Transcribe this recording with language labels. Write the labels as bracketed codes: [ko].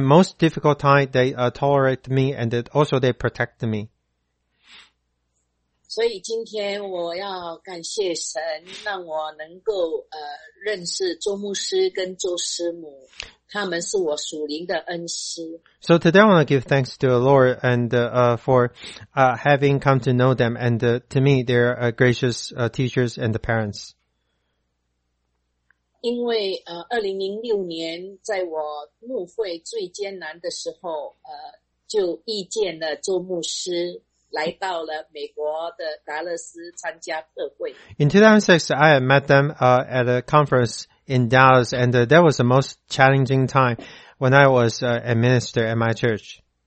[en] most difficult time, they tolerate me and also they protect me. [zh] 所以今天我要感谢神，让我能够认识周牧师跟周师母，他们是我属灵的恩师。 [en] So today I want to give thanks to the Lord and for having come to know them, and to me they're gracious teachers and the parents. [zh] 因为 2006年在我牧会最艰难的时候，就遇见了周牧师。 [en] In 2006, I had met them at a conference in Dallas, and that was the most challenging time when I was a minister at my church.